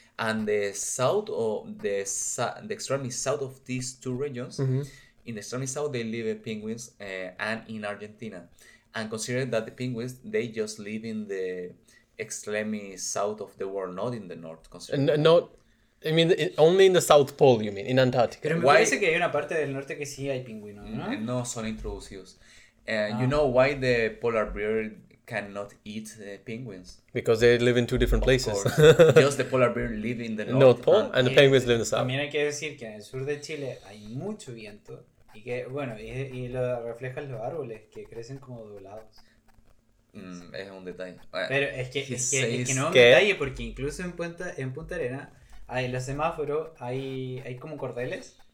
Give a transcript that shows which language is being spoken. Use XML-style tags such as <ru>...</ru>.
<en>And the south of the extreme south of these two regions, mm-hmm. in the extreme south they live penguins, and in Argentina. And considering that the penguins, they just live in the extreme south of the world, not in the north. I mean, only in the South Pole, you mean, in Antarctica.</en> <es>Pero me parece que hay una parte del norte que sí hay pingüinos, ¿no? No, son introducidos.</es> <en>You know why the polar bear cannot eat penguins? Because they live in two different places. Just the polar bear live in the North Pole, and the penguins live in the south.</en> <es>También hay que decir que en el sur de Chile hay mucho viento. Y que, bueno, y lo reflejan los árboles que crecen como doblados. Es un detalle. Pero es que no es un detalle porque incluso en Punta Arena, en los semáforos hay como cordeles.</es>